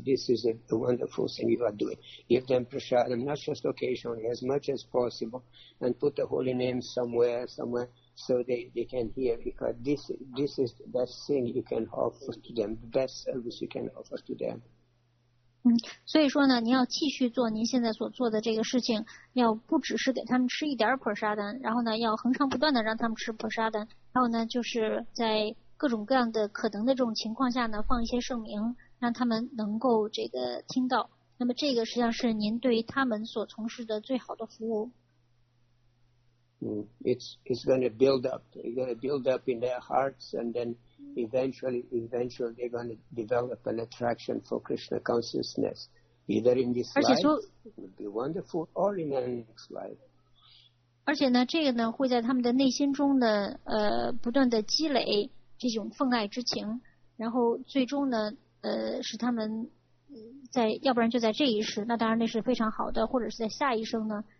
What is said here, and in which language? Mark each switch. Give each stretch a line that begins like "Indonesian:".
English: This is a wonderful thing you are doing. Give them prasadam, not just occasionally, as much as possible, and put the holy name somewhere, so they can hear, because this is the best thing you can offer to them, the best service you can offer to them.
Chinese: 所以说呢，你要继续做您现在所做的这个事情，要不只是给他们吃一点prasadam，然后呢，要恒常不断的让他们吃prasadam，然后呢，就是在各种各样的可能的这种情况下呢，放一些圣名，让他们能够这个听到。那么这个实际上是您对于他们所从事的最好的服务。
English: It's going to build up. They're going to build up in their hearts, and then eventually they're going to develop an attraction for Krishna consciousness. Either in this life, it would be wonderful, or in the next life.
Chinese: 而且呢，这个呢会在他们的内心中呢，不断的积累这种奉爱之情，然后最终呢，使他们在要不然就在这一世，那当然那是非常好的，或者是在下一生呢。